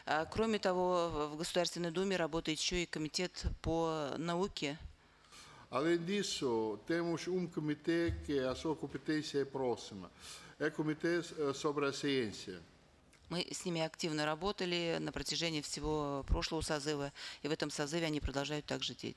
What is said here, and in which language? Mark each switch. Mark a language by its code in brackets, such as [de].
[ru] Кроме того, в Государственной Думе работает еще и Комитет по науке. [pt] Além disso, temos comitê que a sua competência é próxima. É o Comitê sobre a Ciência. [ru] Мы с ними активно работали на протяжении всего прошлого созыва, и в этом созыве они продолжают также